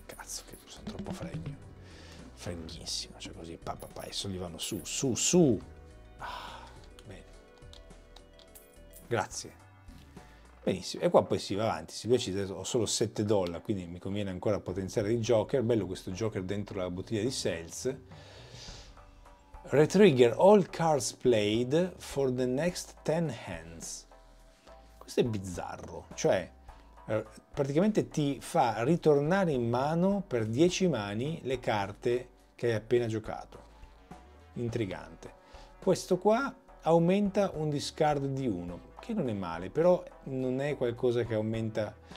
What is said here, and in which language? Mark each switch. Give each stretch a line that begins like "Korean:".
Italian: Cazzo, che sono troppo fregno. Freghissimo, cioè così, papà, adesso li vanno su. Ah, bene. Grazie. Benissimo. E qua poi si va avanti. Si decide, ho solo 7 dollari, quindi mi conviene ancora potenziare il Joker. Bello questo Joker dentro la bottiglia di Sales.
English: Retrigger all cards played for the next 10 hands.
Italian: Questo è bizzarro. Cioè, praticamente ti fa ritornare in mano per 10 mani le carte che hai appena giocato. Intrigante. Questo qua aumenta un discard di 1, che non è male, però non è qualcosa che aumenta.